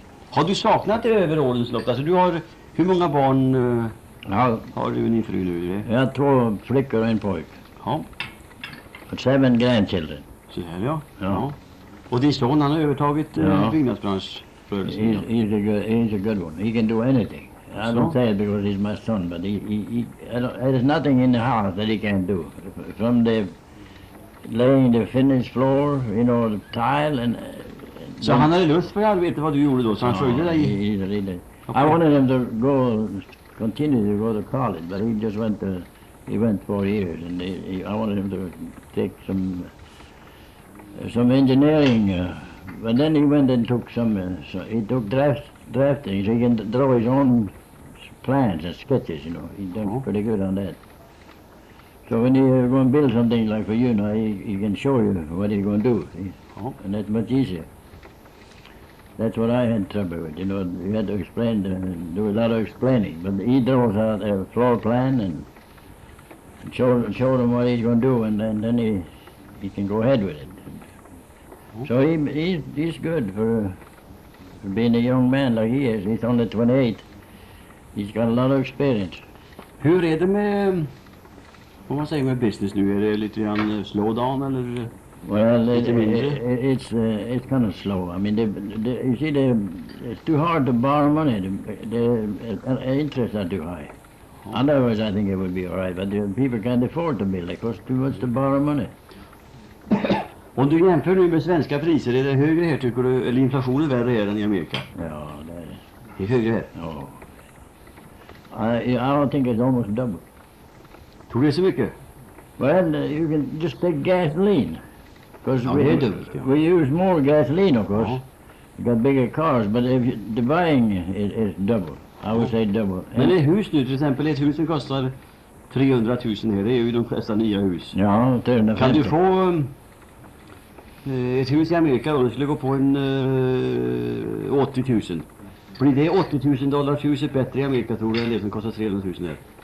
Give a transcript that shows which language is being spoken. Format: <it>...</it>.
<sv>Har du saknat det över årens lopp? Alltså, du har, hur många barn har du och din fru nu? Jag har två flickor och en pojk. Ja. Och 7 grandchildren. Så här, ja. Ja. Ja. Och din son, han har övertagit byggnadsbranschrörelsen.</sv> <en>He's a good one. He can do anything. I don't say it because he's my son, but there's nothing in the house that he can't do. From the laying the finished floor, you know, the tile and... Så han hade lust för att veta vad du gjorde då, så han följde dig? Okay. I wanted him to go, continue to go to college, but he just went to... He went 4 years, and I wanted him to take some engineering. But then he went and took some. So he took drafting. So he can draw his own plans and sketches. You know, he done pretty good on that. So when he's going to build something like for you, now he can show you what he's going to do, and that's much easier. That's what I had trouble with. You know, you had to explain, do a lot of explaining. But he draws out a floor plan and. Show him what he's going to do, and then he can go ahead with it. So he's good for being a young man like he is. He's only 28. He's got a lot of experience.</en> <sv>Hur är det med, vad man säger med business nu? Är det lite grann</sv> <en>slow down</en> <sv>eller?</sv> <en>Well, it's kind of slow. I mean, it's too hard to borrow money. The interest are too high. Otherwise, I think it would be all right, but people can't afford to build. It costs too much to borrow money.</en> <sv>Om du jämför nu med svenska priser, är det högre här, tycker du, eller inflationen värre här än i Amerika? Ja, det är det. Det är högre här?</sv> <en>Ja. I don't think it's almost double.</en> <sv>Tror du det så mycket?</sv> <en>Well, you can just take gasoline. Because we use more gasoline, of course. Uh-huh. We got bigger cars, but if the buying is double. I would say double.</en> <sv>Men ett hus nu, till exempel, ett hus som kostar 300 000 här, det är ju de flesta nya hus. Ja, 350. Kan du få ett hus i Amerika då, det skulle gå på en 80 000. Blir det 80 000 dollar huset bättre i Amerika, tror du, än det som kostar 300 000 här?</sv>